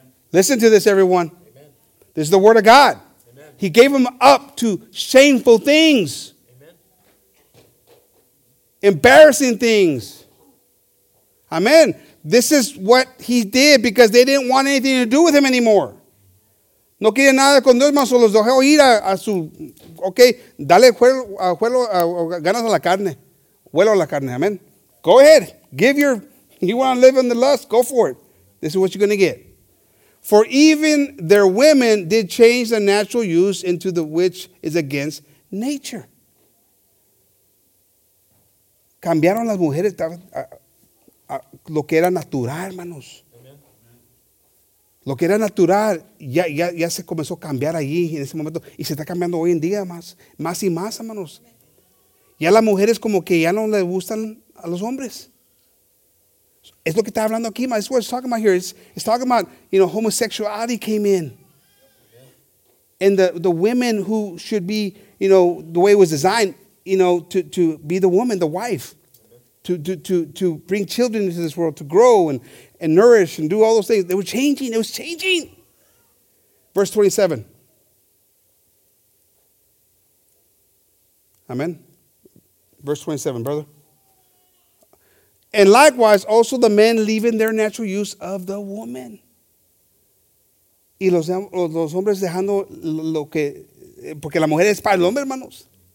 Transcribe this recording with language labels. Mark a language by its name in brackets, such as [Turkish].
[English] Listen to this, everyone. Amen. This is the word of God. He gave them up to shameful things. Amen. Embarrassing things. Amen. This is what he did because they didn't want anything to do with him anymore. [Spanish] No quieren nada con Dios, más solo los dejó ir a su... Okay, dale vuelo, ganas a la carne. Vuelo a la carne, amen. [English] Go ahead. Give your... You want to live in the lust? Go for it. This is what you're going to get. For even their women did change the natural use into the which is against nature. [Spanish] Cambiaron las mujeres a lo que era natural, hermanos. Lo que era natural ya se comenzó a cambiar allí en ese momento. Y se está cambiando hoy en día más y más, hermanos. Ya las mujeres como que ya no les gustan a los hombres. Es lo que está hablando aquí, es [English] what it's talking about here. It's talking about, you know, homosexuality came in. And the women who should be, you know, the way it was designed, you know, to be the woman, the wife, to bring children into this world, to grow and nourish and do all those things. They were changing. It was changing. Verse 27. Amen. Verse 27, brother. And likewise, also the men leaving their natural use of the woman. [Spanish] Y los hombres dejando lo que... Porque la mujer es para el hombre, hermanos.